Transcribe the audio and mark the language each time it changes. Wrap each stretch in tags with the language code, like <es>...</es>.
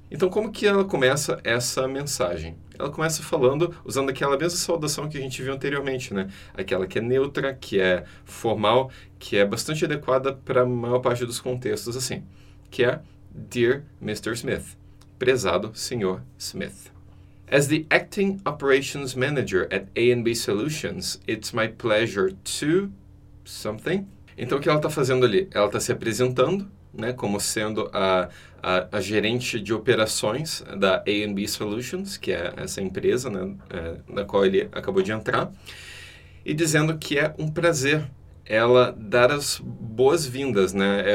<pt>Então, como que ela começa essa mensagem? Ela começa falando, usando aquela mesma saudação que a gente viu anteriormente, né? Aquela que é neutra, que é formal, que é bastante adequada para a maior parte dos contextos, assim, que é</pt> <en>Dear Mr.</en> <pt>Smith, prezado Sr. Smith.</pt> <en>As the Acting Operations Manager at A&B Solutions, it's my pleasure to something.</en> <pt>Então, o que ela está fazendo ali? Ela está se apresentando, né, como sendo a gerente de operações da A&B Solutions, que é essa empresa, né, na qual ele acabou de entrar, e dizendo que é um prazer ela dar as boas-vindas, né?</pt>